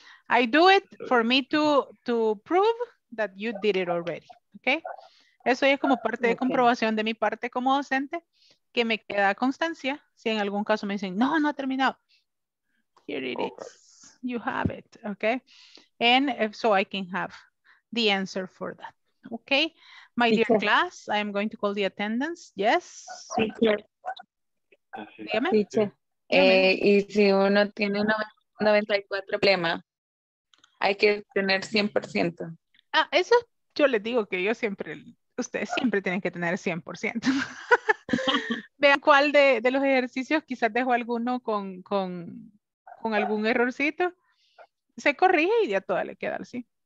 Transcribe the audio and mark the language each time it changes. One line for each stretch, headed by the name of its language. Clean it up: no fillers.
English: I do it for me to prove that you did it already, okay?
Spanish: Eso es como parte de comprobación de mi parte como docente, que me queda constancia. Si en algún caso me dicen, no, no ha terminado.
English: Here it is. You have it, okay? And if so, I can have the answer for that, okay? My dear class, I am going to call the attendance. Yes? Teacher.
Spanish: Dígame.
English: Teacher.
Spanish: Dígame. Y si uno tiene 94 problema, hay que tener 100%. Ah, eso yo les digo que yo siempre, ustedes siempre tienen que tener 100%. Vean cuál de los ejercicios, quizás dejo alguno con algún errorcito, se corrige y ya toda le queda así.